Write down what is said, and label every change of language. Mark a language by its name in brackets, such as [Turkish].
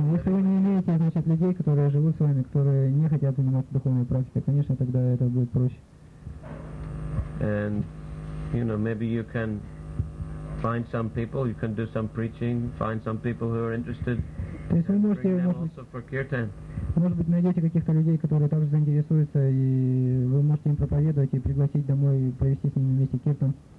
[Russian] Но если вы не имеете, значит, людей, которые живут с вами, которые не хотят заниматься духовной практикой, конечно, тогда это будет проще. [English] And you know, maybe you can find some people, you can do some preaching, find some people who are interested. [Russian] То есть вы можете, может быть, найдете каких-то людей, которые также заинтересуются, и вы можете им проповедовать и пригласить домой, провести с ними вместе киртан.